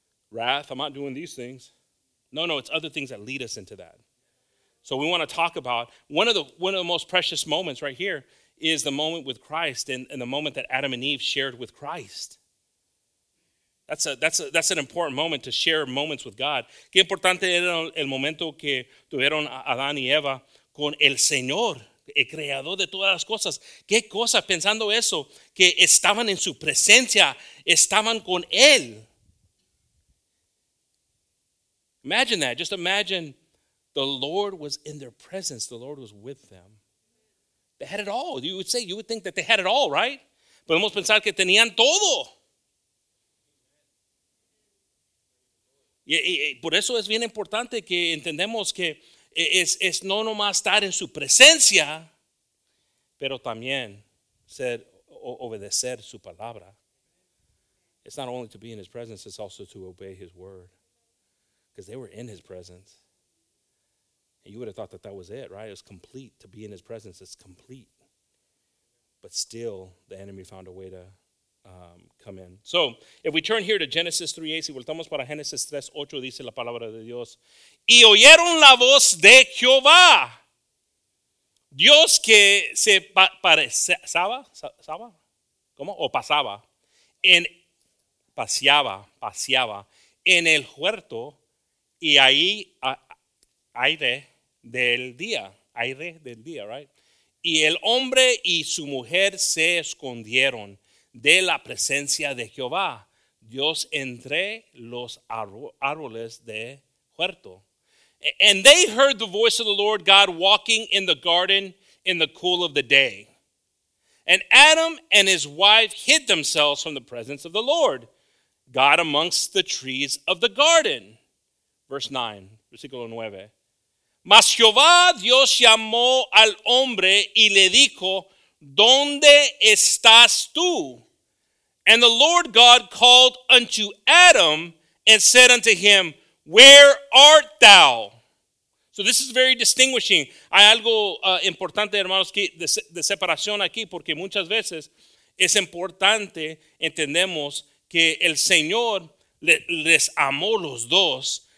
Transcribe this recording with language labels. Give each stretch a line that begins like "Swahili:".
English: Wrath, I'm not doing these things. No, it's other things that lead us into that. So we want to talk about one of the most precious moments right here is the moment with Christ and the moment that Adam and Eve shared with Christ. That's an important moment to share moments with God.
Spanish: Qué importante era el momento que tuvieron Adán y Eva con el Señor, el creador de todas las cosas. Qué cosa pensando eso, que estaban en su presencia, estaban con él.
English: Imagine that. Just imagine the Lord was in their presence. The Lord was with them. They had it all. You would think that they had it all, right?
Spanish: Podemos pensar que tenían todo. Y por eso es bien importante que entendemos que es no nomás estar en su presencia, pero también ser obedecer su palabra.
English: It's not only to be in his presence, it's also to obey his word. Because they were in his presence. And you would have thought that that was it, right? It was complete. To be in his presence, it's complete. But still, the enemy found a way to come in. So, if we turn here to Genesis 3:8,
Spanish: si voltamos para Genesis 3:8, dice la palabra de Dios. Y oyeron la voz de Jehová. Dios que se parecía, ¿saba? ¿Cómo? O pasaba. Paseaba en el huerto. Y ahí, aire del día,
English: right?
Spanish: Y el hombre y su mujer se escondieron de la presencia de Jehová, Dios entre los árboles de huerto.
English: And they heard the voice of the Lord God walking in the garden in the cool of the day. And Adam and his wife hid themselves from the presence of the Lord God amongst the trees of the garden. Verse 9,
Spanish: versículo 9. Mas Jehová Dios llamó al hombre y le dijo, ¿dónde estás tú?
English: And the Lord God called unto Adam and said unto him, where art thou? So this is very distinguishing.
Spanish: Hay algo importante, hermanos, de separación aquí, porque muchas veces es importante entendemos que el Señor les amó los dos.